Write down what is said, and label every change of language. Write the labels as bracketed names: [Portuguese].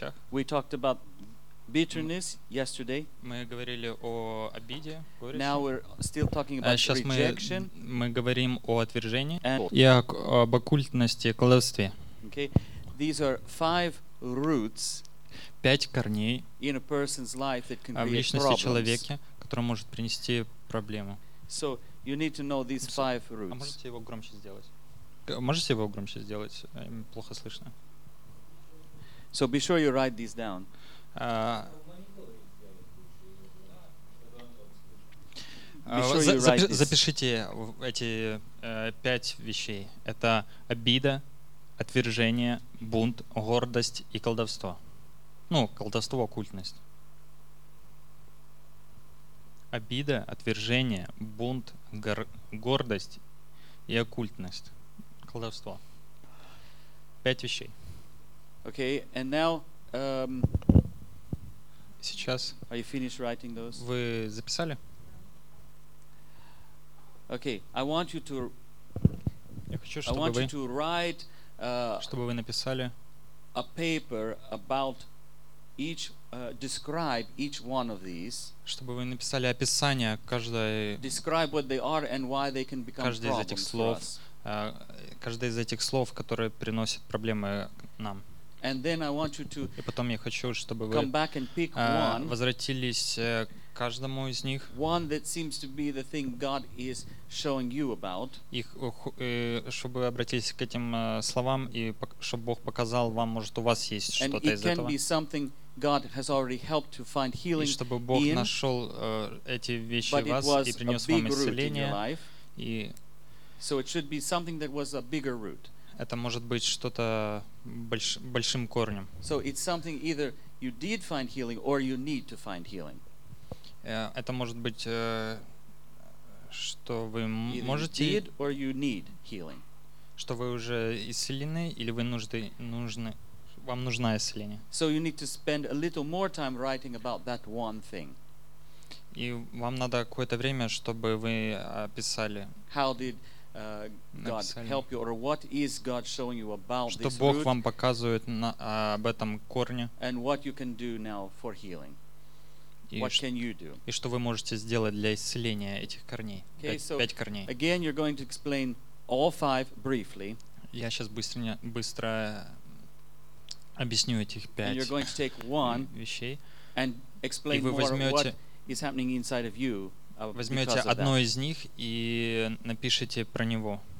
[English] We talked about bitterness yesterday. [Russian] Мы говорили о обиде, горечи. [English] Now we're still talking about [Russian] сейчас [English] rejection. [Russian] Мы говорим о отвержении и об оккультности, колдовстве. [English] Okay. These are five roots. [Russian] Пять корней [English] in a person's life that can [Russian] в личности человека, который может принести проблему. [English] So you need to know these five roots. [Russian] А можете его громче сделать? Можете его громче сделать? Плохо слышно. [English] So be sure you write these down. [Russian] Запишите эти пять вещей. Это обида, отвержение, бунт, гордость и колдовство. Ну, колдовство, оккультность. Обида, отвержение, бунт, гордость и оккультность. Колдовство. Пять вещей. [English] Okay, and now, [Russian] сейчас. [English] Are you finished writing those? [Russian] Вы записали? [English] Okay, I want you to. [Russian] Я хочу, чтобы вы. [English] I want you to write. [Russian] Чтобы вы написали. [English] A paper about each. Describe each one of these. [Russian] Чтобы вы написали описание каждой. Describe what they are and why they can become problems. Каждый из этих слов. Каждый из этих слов, которые приносят проблемы нам. [English] And then I want you to [Russian] и потом я хочу, чтобы вы [English] come back and pick one, [Russian] возвратились к каждому из них. [English] One that seems to be the thing God is showing you about. [Russian] Чтобы вы обратились к этим словам и чтобы Бог показал вам, может, у вас есть что-то из этого. [English] And it can be something God has already helped to find healing in. [Russian] И чтобы Бог нашел эти вещи в вас и принес вам исцеление. И [English] so it should be something that was a bigger root. [Russian] Это может быть что-то большим корнем. [English] So it's something either you did find healing or you need to find healing. [Russian] Это может быть, что вы [English] either [Russian] можете. [English] You did or you need healing. [Russian] Что вы уже исцелены или вы нужны, вам нужно исцеление. [English] So you need to spend a little more time writing about that one thing. [Russian] И вам надо какое-то время, чтобы вы описали. [English] How did God help you, or what is God showing you about [Russian] что [English] this [Russian] Бог [English] root? [Russian] Вам показывает об этом корне? [English] And what you can do now for healing? What can you do? [Russian] И что вы можете сделать для исцеления этих корней? [English] Okay, [Russian] пять корней. [English] Again, you're going to explain all five briefly. [Russian] Я сейчас быстро объясню этих пять. [English] And you're going to take one [Russian] вещей. [English] And explain more [Russian] возьмете, [English] what is happening inside of you. [Russian] Возьмете одно из них и напишите про него.